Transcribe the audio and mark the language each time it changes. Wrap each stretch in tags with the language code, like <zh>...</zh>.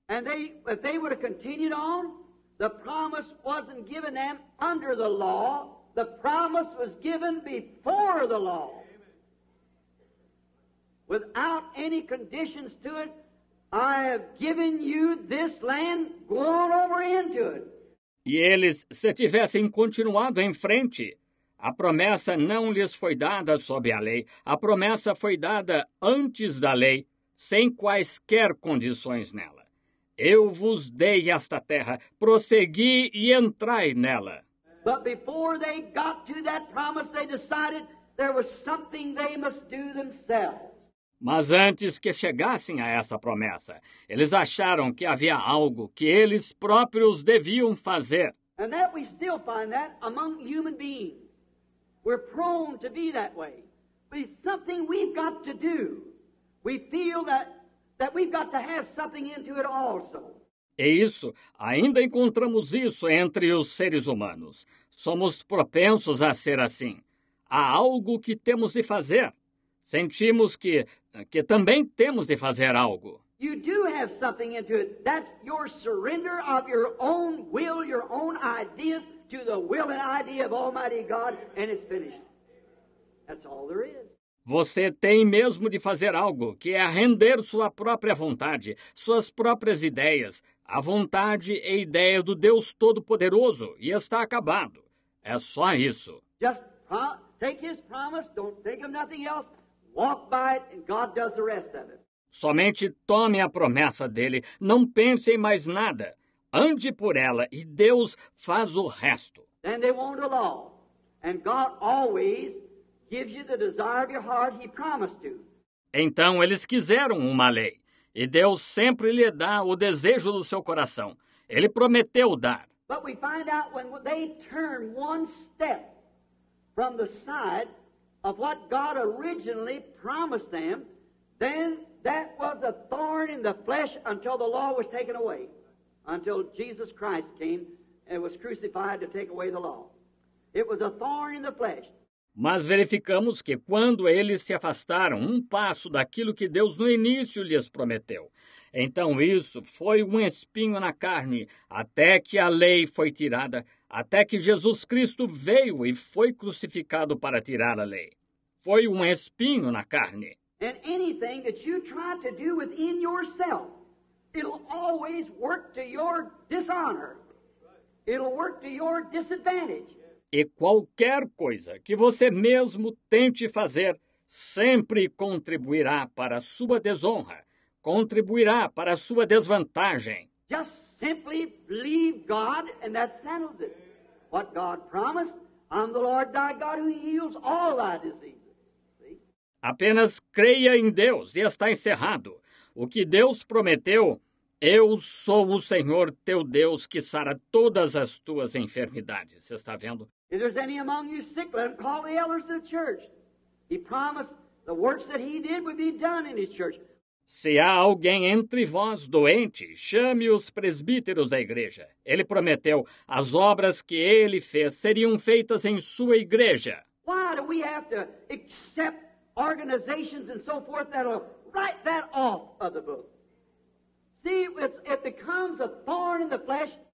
<en>And if they would have continued on, the promise wasn't given them under the law. The promise was given before the law, without any conditions to it. I have given you this land, go on over into it.</en> <pt>E eles, se tivessem continuado em frente, a promessa não lhes foi dada sob a lei. A promessa foi dada antes da lei, sem quaisquer condições nela. Eu vos dei esta terra, prossegui e entrai nela.</pt> <en>But before they got to that promise, they decided there was something they must do themselves.</en> <pt>Mas antes que chegassem a essa promessa, eles acharam que havia algo que eles próprios deviam fazer.</pt> <en>And that we still find that among human beings. We're prone to be that way. But it's something we've got to do. We feel that we've got to have something into it also.</en> <pt>E isso, ainda encontramos isso entre os seres humanos. Somos propensos a ser assim. Há algo que temos de fazer. Sentimos que também temos de fazer algo.</pt> <en>You do have something into it. That's your surrender of your own will, your own ideas to the will and idea of Almighty God, and it's finished. That's all there is.</en> <pt>Você tem mesmo de fazer algo, que é render sua própria vontade, suas próprias ideias, a vontade e ideia do Deus Todo-Poderoso, e está acabado. É só isso.</pt> <en>Just take his promise, don't think of nothing else, walk by it, and God does the rest of it.</en> <pt>Somente tome a promessa dele, não pense em mais nada, ande por ela, e Deus faz o resto.</pt> <en>Then they won't allow, and God always gives you the desire of your heart he promised to.</en> <pt>Então eles quiseram uma lei. E Deus sempre lhe dá o desejo do seu coração. Ele prometeu dar.</pt> <en>But we find out when they turn one step from the side of what God originally promised them, then that was a thorn in the flesh until the law was taken away. Until Jesus Christ came and was crucified to take away the law. It was a thorn in the flesh.</en> <pt>Mas verificamos que quando eles se afastaram um passo daquilo que Deus no início lhes prometeu, então isso foi um espinho na carne, até que a lei foi tirada, até que Jesus Cristo veio e foi crucificado para tirar a lei. Foi um espinho na carne.</pt> <en>E anything that you try to do within yourself, it'll always work to your dishonor. It'll work to your disadvantage.</en> <pt>E qualquer coisa que você mesmo tente fazer sempre contribuirá para a sua desonra, contribuirá para a sua desvantagem.</pt> <en>Just simply believe God and that settles it. What God promised, I'm the Lord thy God who heals all thy diseases. See?</en> <pt>Apenas creia em Deus e está encerrado. O que Deus prometeu, eu sou o Senhor teu Deus que sara todas as tuas enfermidades. Você está vendo?</pt> <en>If there's any among you sick, let him call the elders of the church. He promised the works that he did would be done in his church.</en> <pt>Se há alguém entre vós doente, chame os presbíteros da igreja. Ele prometeu, as obras que ele fez seriam feitas em sua igreja.</pt> <en>Why do we have to accept organizations and so forth that'll write that off of the book. See, it becomes a thorn in the flesh.</en>